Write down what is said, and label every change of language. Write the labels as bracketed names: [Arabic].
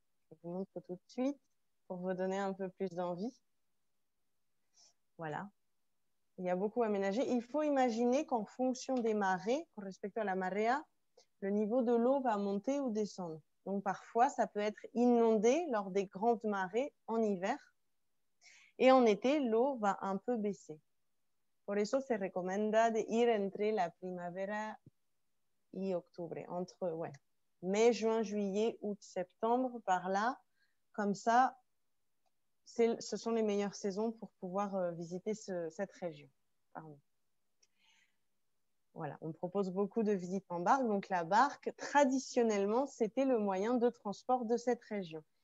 [French] Je vous montre tout de suite pour vous donner un peu plus d'envie. Voilà. Il y a beaucoup aménagé. Il faut imaginer qu'en fonction des marées, en respectant [Spanish] la marea, [French] le niveau de l'eau va monter ou descendre. Donc, parfois, ça peut être inondé lors des grandes marées en hiver. Et en été, l'eau va un peu baisser. [Spanish] Por eso se recomienda de ir entre la primavera y octubre. [French] Entre, ouais, mai, juin, juillet, août, septembre, par là. Comme ça, ce sont les meilleures saisons pour pouvoir visiter cette région. Pardon. Voilà, on propose beaucoup de visites en barque. Donc, la barque, traditionnellement, c'était le moyen de transport de cette région.